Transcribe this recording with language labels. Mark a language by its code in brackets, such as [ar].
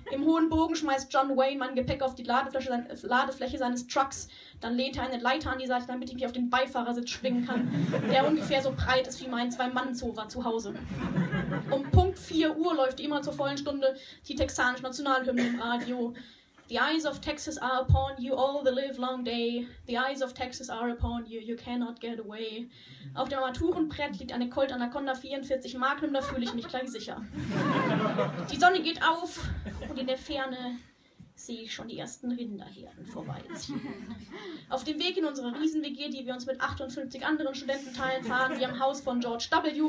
[de] Im hohen Bogen schmeißt John Wayne mein Gepäck auf die Ladefläche seines Trucks. Dann lehnt er eine Leiter an die Seite, damit ich mich auf den Beifahrersitz schwingen kann, der ungefähr so breit ist wie mein Zwei-Mann-Sofa zu Hause. Um Punkt 4 Uhr läuft immer zur vollen Stunde die texanische Nationalhymne im Radio. [en] The eyes of Texas are upon you all the live long day. The eyes of Texas are upon you, you cannot get away. [de] Auf dem Armaturenbrett liegt eine Colt Anaconda 44 Magnum, da fühle ich mich gleich sicher. Die Sonne geht auf und in der Ferne sehe ich schon die ersten Rinderherden vorbeiziehen. Auf dem Weg in unsere Riesen-WG, die wir uns mit 58 anderen Studenten teilen, fahren wir am Haus von George W.